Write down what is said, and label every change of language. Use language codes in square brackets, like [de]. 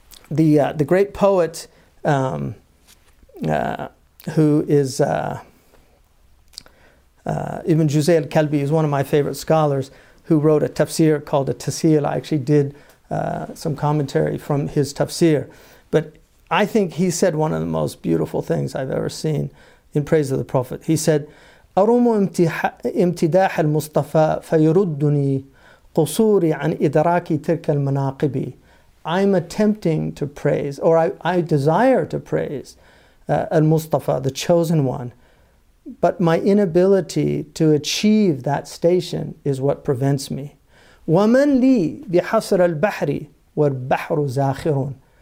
[en] the great poet who is Ibn Juzay al-Kalbi is one of my favorite scholars, who wrote a tafsir called a tasil. I actually did some commentary from his tafsir. But I think he said one of the most beautiful things I've ever seen in praise of the Prophet. He said, [ar] أرم امتداح المصطفى فيردني قصوري عن إدراك تلك المناقب. [en] I'm attempting to praise, or I desire to praise al-Mustafa, the chosen one, but my inability to achieve that station is what prevents me. [ar] وَمَنْ لِي بِحَصْرَ الْبَحْرِ وَالْبَحْرُ زَاخِرٌ.